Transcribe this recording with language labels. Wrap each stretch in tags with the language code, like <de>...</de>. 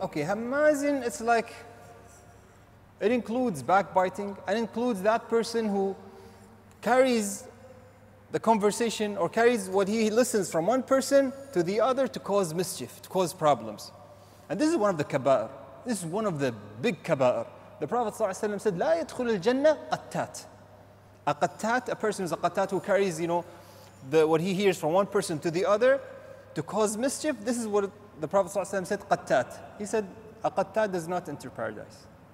<en>Okay, hammazin, it's like, it includes backbiting and includes that person who carries the conversation or carries what he listens from one person to the other to cause mischief, to cause problems. And this is one of the kaba'ir. This is one of the big kaba'ir. The Prophet ﷺ said,</en> <ar>لا يدخل الجنة قطات.</ar> <en>A qattat, a person who's a qattat who carries, you know, what he hears from one person to the other to cause mischief. This is what the Prophet ﷺ said, qattat. He said, a qattat does not enter paradise.</en>